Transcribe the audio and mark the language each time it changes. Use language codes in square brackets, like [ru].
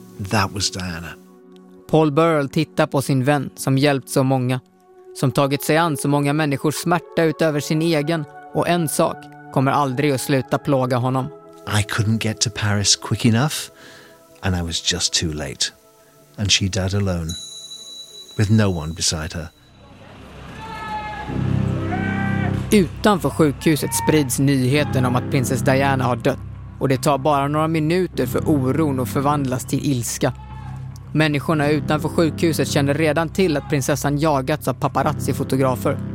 [en] That was Diana. [sv] Paul Burrell tittar på sin vän som hjälpt så många, som tagit sig an så många människors smärta utöver sin egen, och en sak kommer aldrig att sluta plåga honom. [en] I couldn't get to Paris quick enough and I was just too late. And she died alone with no one beside her. [sv] Utanför sjukhuset sprids nyheten om att prinsess Diana har dött. Och det tar bara några minuter för oron att förvandlas till ilska. Människorna utanför sjukhuset känner redan till att prinsessan jagats av paparazzi-fotografer.